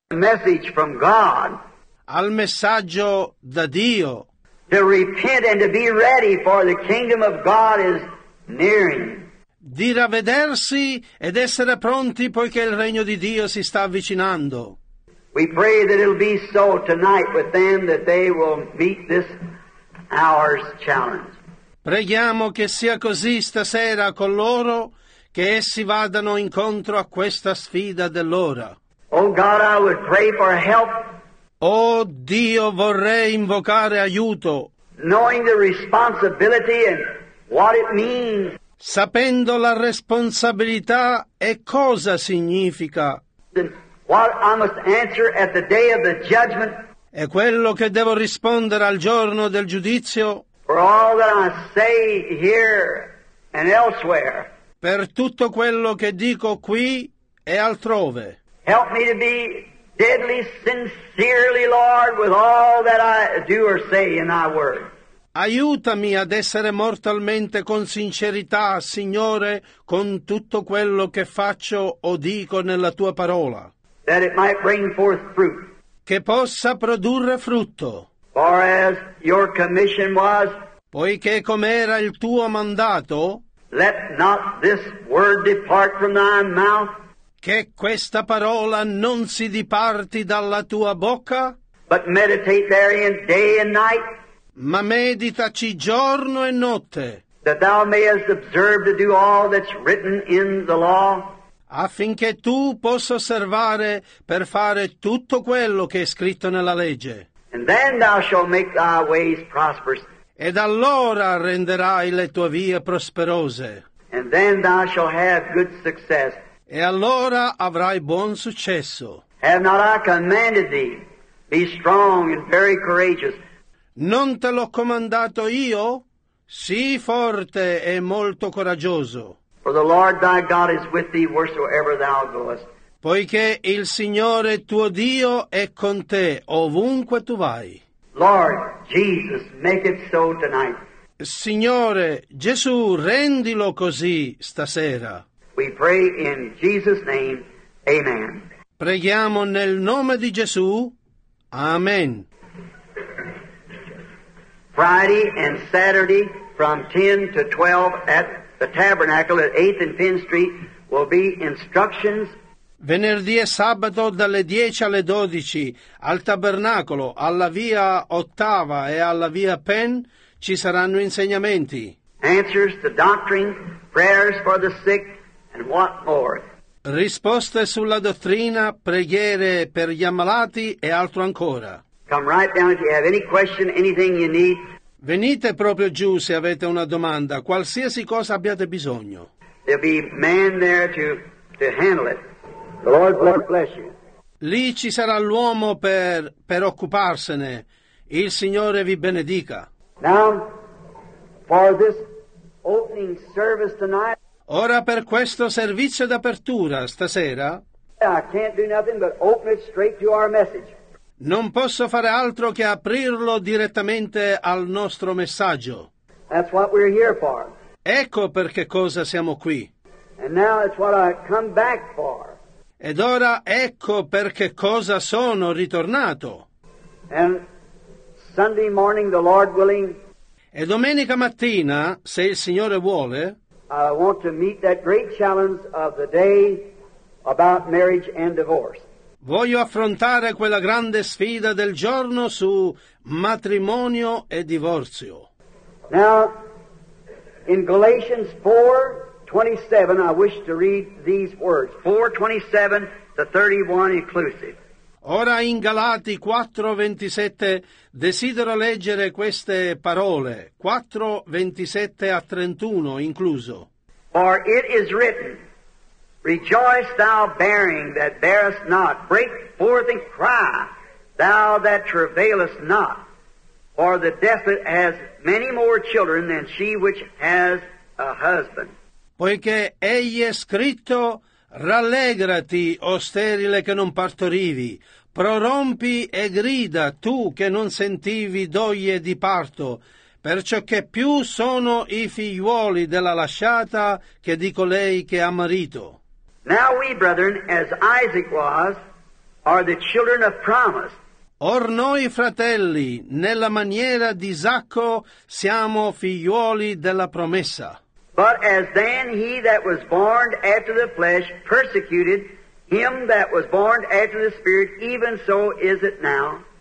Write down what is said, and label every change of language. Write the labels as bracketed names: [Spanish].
[English] message from God, [Italian] al messaggio da Dio, [English] to repent and to be ready for the kingdom of God is nearing, [Italian] di ravvedersi ed essere pronti poiché il regno di Dio si sta avvicinando. [English] We pray that it'll be so tonight with them that they will meet this hour's challenge. [Italian] Preghiamo che sia così stasera con loro, che essi vadano incontro a questa sfida dell'ora. [English] Oh God, I would pray for help. [Italian] Oh Dio, vorrei invocare aiuto. [English] Knowing the responsibility and what it means. [Italian] Sapendo la responsabilità e cosa significa. [English] And what I must answer at the day of the judgment. [Italian] E quello che devo rispondere al giorno del giudizio. [English] For all that I say here and elsewhere. [Italian] Per tutto quello che dico qui e altrove. [English] Help me to be deadly sincerely, Lord, with all that I do or say in thy word. [Italian] Aiutami ad essere mortalmente con sincerità, Signore, con tutto quello che faccio o dico nella tua parola. [English] That it might bring forth fruit. [Italian] Che possa produrre frutto. [English] For as your commission was. [Italian] Poiché com'era il tuo mandato. [English] Let not this word depart from thy mouth. [Italian] Che questa parola non si diparti dalla tua bocca. [English] But meditate therein day and night. [Italian] Ma meditaci giorno e notte. [English] That thou mayest observe to do all that's written in the law. [Italian] Affinché tu possa osservare per fare tutto quello che è scritto nella legge. [English] And then thou shalt make thy ways prosperous. [Italian] Ed allora renderai le tue vie prosperose. [English] And then thou shalt have good success. [Italian] E allora avrai buon successo. [English] Have not I commanded thee, be strong and very courageous. [Italian] Non te l'ho comandato io? Sii forte e molto coraggioso. [English] For the Lord thy God is with thee wheresoever thou goest. [Italian] Poiché il Signore tuo Dio è con te ovunque tu vai. [English] Lord Jesus, make it so tonight. [Italian] Signore Gesù, rendilo così stasera. [English] We pray in Jesus' name. Amen. [Italian] Preghiamo nel nome di Gesù. Amen. [English] Friday and Saturday from 10 to 12 at the Tabernacle at 8th and Penn Street will be instructions. [Italian] Venerdì e sabato dalle 10 alle 12 al Tabernacolo, alla via Ottava e alla via Penn ci saranno insegnamenti. [English] Answers to doctrine, prayers for the sick, and what more? [Italian] Risposte sulla dottrina, preghiere per gli ammalati e altro ancora. [English] Come right down if you have any question, anything you need. [Italian] Venite proprio giù se avete una domanda, qualsiasi cosa abbiate bisogno. [English] There'll be man there to handle it. The Lord bless you. [Italian] Lì ci sarà l'uomo per occuparsene. Il Signore vi benedica. [English] Now, for this opening service tonight. [Italian] Ora per questo servizio d'apertura stasera. [English] I can't do nothing but open it straight to our message. [Italian] Non posso fare altro che aprirlo direttamente al nostro messaggio. [English] That's what we're here for. [Italian] Ecco perché cosa siamo qui. [English] And now it's what I come back for. [Italian] Ed ora ecco perché cosa sono ritornato. [English] And Sunday morning, the Lord willing, [Italian] e domenica mattina, se il Signore vuole, [English] I want to meet that great challenge of the day about marriage and divorce. [Italian] Voglio affrontare quella grande sfida del giorno su matrimonio e divorzio. [English] Now, in Galatians 4:27, I wish to read these words. 4:27 to 31 inclusive. [Italian] Ora in Galati 4:27 desidero leggere queste parole. 4:27 a 31 incluso. [English] For it is written, rejoice thou bearing that bearest not, break forth and cry, thou that travailest not. For the desolate has many more children than she which has a husband. [Italian] Poiché egli è scritto, rallegrati, o sterile che non partorivi, prorompi e grida, tu che non sentivi doglie di parto, perciò che più sono i figliuoli della lasciata che di colei che ha marito. [English] Now we, brethren, as Isaac was, are the children of promise. [Italian] Or noi, fratelli, nella maniera di Isacco, siamo figliuoli della promessa. [English] But as then he that was born after the flesh persecuted him that was born after the spirit, even so is it now.